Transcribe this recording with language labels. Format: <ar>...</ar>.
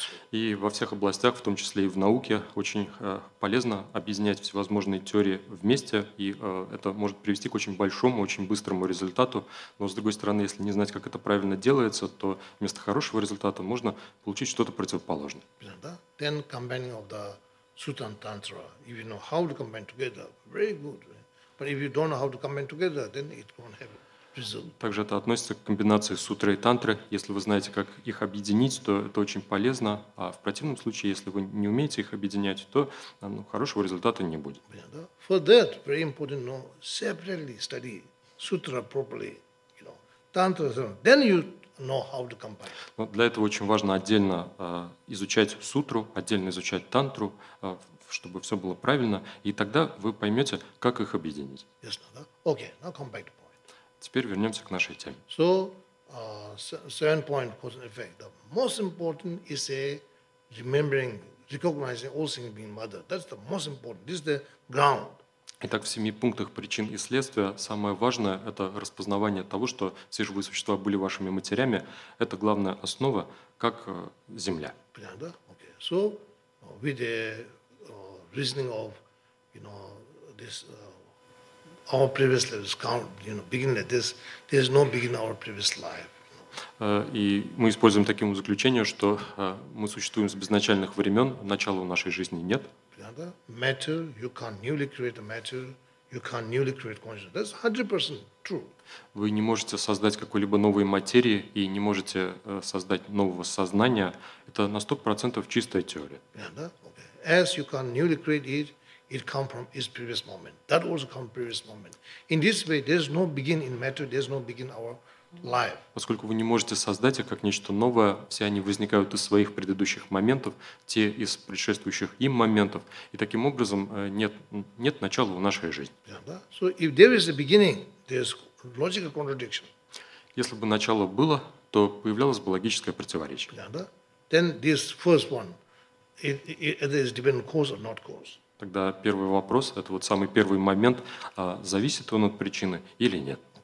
<ru>И во всех областях, в том числе и в науке, очень полезно объединять всевозможные теории вместе, и это может привести к очень большому, очень быстрому результату. Но, с другой стороны, если не знать, как это правильно делается, то вместо хорошего результата можно получить что-то противоположное.</ru> <en>Then combining of the sutra and tantra, if you know how to combine together, very good. But if you don't know how to combine together, then it won't happen.</en> <ru>Также это относится к комбинации сутры и тантры. Если вы знаете, как их объединить, то это очень полезно. А в противном случае, если вы не умеете их объединять, то хорошего результата не будет.</ru> <en>For that, very important, no, separately study sutra properly, tantra, then you know how to combine.</en> <ru>Но для этого очень важно отдельно изучать сутру, отдельно изучать тантру, чтобы все было правильно, и тогда вы поймете, как их объединить. Ясно, да?</ru> <en>Okay, now come back to.</en> <ru>Теперь вернемся к нашей теме.</ru> <en>So, seven point cause and effect. The most important is a remembering, recognizing all things being mother. That's the most important. This is the ground.</en> <ru>Итак, в семи пунктах причин и следствия самое важное – это распознавание того, что все живые существа были вашими матерями. Это главная основа, как земля. Понятно, да?</ru> <en>Okay. So, with the reasoning of, this. Our previous lives count, begin like this. There's no beginning our previous life.</en> <ru>И мы используем таким заключение, что мы существуем с безначальных времен, начала у нашей жизни нет.</ru> <en>Matter, you can't newly create a matter, you can't newly create consciousness. That's 100% true.</en> <ru>Вы не можете создать какой-либо новой материи и не можете создать нового сознания. Это на 100% чистая теория.</ru> <en>As you can't newly create it, it come from its previous moment. That also come previous moment. In this way, there's no begin in matter, there's no begin our life.</en> <ru>Поскольку вы не можете создать их как нечто новое, все они возникают из своих предыдущих моментов, те из предшествующих им моментов, и таким образом нет начала в нашей жизни.</ru> <en>So if there is a beginning, there's logical contradiction.</en> <ru>Если бы начало было, то появлялось бы логическое противоречие.</ru> <en>Then this first one, it is dependent cause or not cause.</en> <ru>Тогда первый вопрос, это вот самый первый момент, зависит он от причины или нет.</ru>